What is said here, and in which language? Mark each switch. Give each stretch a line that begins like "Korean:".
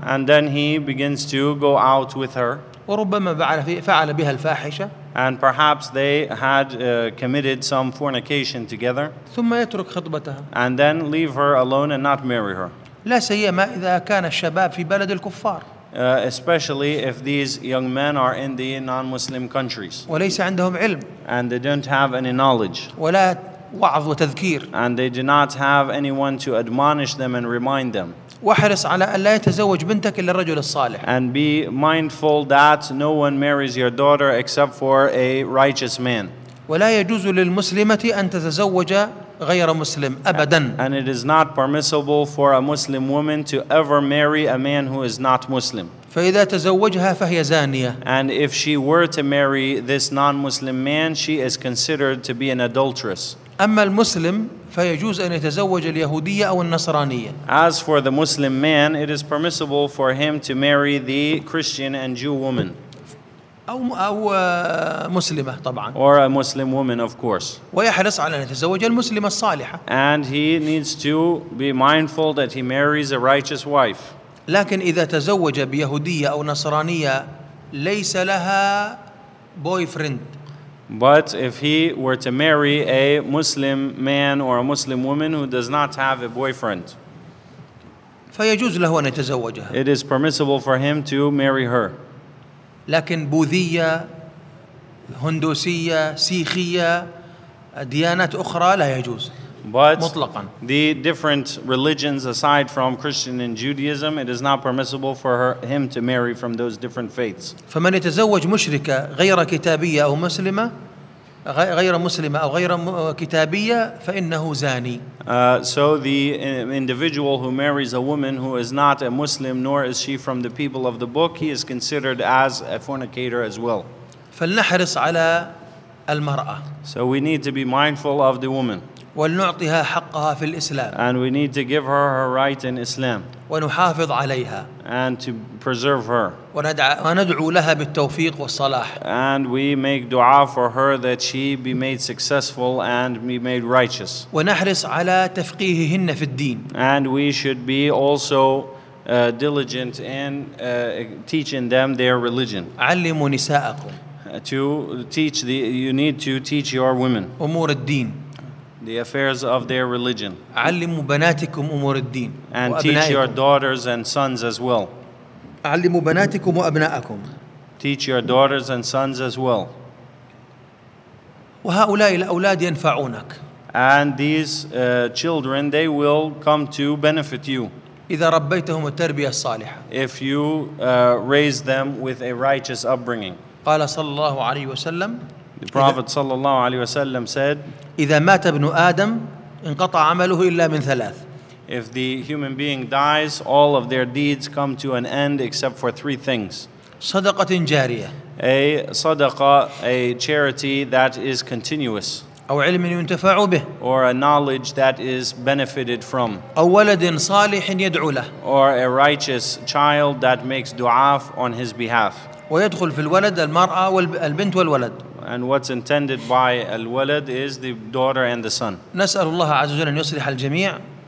English: and then he begins to go out with her,
Arabic: وربما فعل بها الفاحشة,
English: and perhaps they had committed some fornication together,
Arabic: ثم يترك خطبتها,
English: and then leave her alone and not marry her.
Arabic: لا سيما إذا كان الشباب في بلد الكفار,
English: especially if these young men are in the non-Muslim countries,
Arabic: وليس عندهم علم,
English: and they don't have any knowledge,
Arabic: ولا وعظ وتذكير,
English: and they do not have anyone to admonish them and remind them.
Arabic: واحرص على أن لا يتزوج بنتك إلا الرجل الصالح.
English: And be mindful that no one marries your daughter except for a righteous man.
Arabic: ولا يجوز للمسلمة أن تتزوج غير مسلم أبدا.
English: And it is not permissible for a Muslim woman to ever marry a man who is not Muslim.
Arabic: فإذا تزوجها فهي زانية.
English: And if she were to marry this non-Muslim man, she is considered to be an adulteress.
Arabic: أما المسلم فيجوز أن يتزوج اليهودية أو النصرانية.
English: As for the Muslim man, it is permissible for him to marry the Christian and Jew woman.
Arabic: أو مسلمة طبعاً.
English: Or a Muslim woman, of course.
Arabic: ويحرص على أن يتزوج المسلمة الصالحة.
English: And he needs to be mindful that he marries a righteous wife.
Arabic: لكن إذا تزوج بيهودية أو نصرانية ليس لها boyfriend.
English: But if he were to marry a Muslim man or a Muslim woman who does not have a boyfriend,
Arabic: فيجوز له أن يتزوجها.
English: It is permissible for him to marry her.
Arabic: لكن بوذية, هندوسية, سيخية, ديانات أخرى لا يجوز.
English: But
Arabic: مطلقاً.
English: The different religions aside from Christian and Judaism, it is not permissible for him to marry from those different faiths.
Arabic: فمن يتزوج مشركة غير كتابية أو مسلمة, غير مسلمة أو غير كتابية, فإنه زاني.
English: So the individual who marries a woman who is not a Muslim nor is she from the people of the book, he is considered as a fornicator as well.
Arabic: فلنحرص على المرأة.
English: So we need to be mindful of the woman.
Arabic: ولنعطيها حقها في الإسلام.
English: And we need to give her her right in Islam.
Arabic: ونحافظ عليها.
English: And to preserve her.
Arabic: وندعو لها بالتوفيق والصلاح.
English: And we make dua for her that she be made successful and be made righteous.
Arabic: ونحرص على تفقيههن في الدين.
English: And we should be also diligent in teaching them their religion.
Arabic: علموا نساءكم.
English: You need to teach your women.
Arabic: أمور الدين.
English: The affairs of their religion.
Arabic: علموا بناتكم أمور الدين.
English: And teach your daughters and sons as well.
Arabic: علموا بناتكم وأبناءكم.
English: Teach your daughters and sons as well.
Arabic: وهؤلاء الأولاد ينفعونك.
English: And these children, they will come to benefit you.
Arabic: إذا ربيتهم التربية الصالحة.
English: If you raise them with a righteous upbringing.
Arabic: قال صلى الله عليه وسلم.
English: The Prophet
Arabic: صلى الله عليه وسلم
English: said.
Arabic: إذا مات ابن آدم انقطع عمله إلا من ثلاث.
English: If the human being dies, all of their deeds come to an end except for three things.
Arabic: صدقة جارية.
English: A صدقة, a charity that is continuous.
Arabic: أو علم ينتفع به.
English: Or a knowledge that is benefited from.
Arabic: أو ولد صالح يدعو له.
English: Or a righteous child that makes dua on his behalf.
Arabic: ويدخل في الولد المرأة والبنت والولد.
English: And what's intended by al-walad is the daughter and the son.
Arabic: نسأل الله عز وجل أن يصلح الجميع.